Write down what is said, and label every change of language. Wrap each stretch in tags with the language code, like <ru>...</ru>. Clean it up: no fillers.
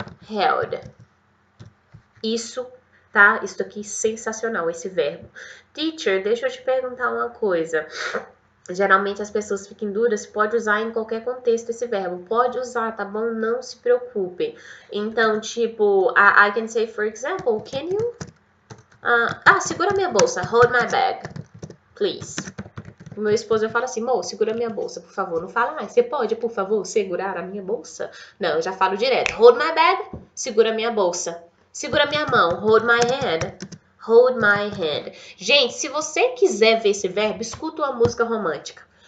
<pt>Held. Isso, tá? Isso aqui sensacional, esse verbo. Teacher, deixa eu te perguntar uma coisa. Geralmente as pessoas ficam duras, pode usar em qualquer contexto esse verbo. Pode usar, tá bom? Não se preocupem. Então, tipo,</pt> <en>I can say, for example, can you?</en> <pt>Segura minha bolsa.</pt> <en>Hold my bag, please.</en> <pt>O meu esposo, eu falo assim, amor, segura minha bolsa, por favor. Não fala mais. Você pode, por favor, segurar a minha bolsa? Não, eu já falo direto.</pt> <en>Hold my bag,</en> <pt>segura minha bolsa. Segura minha mão.</pt> <en>Hold my hand. Hold my hand.</en> <pt>Gente, se você quiser ver esse verbo, escuta uma música romântica.</pt>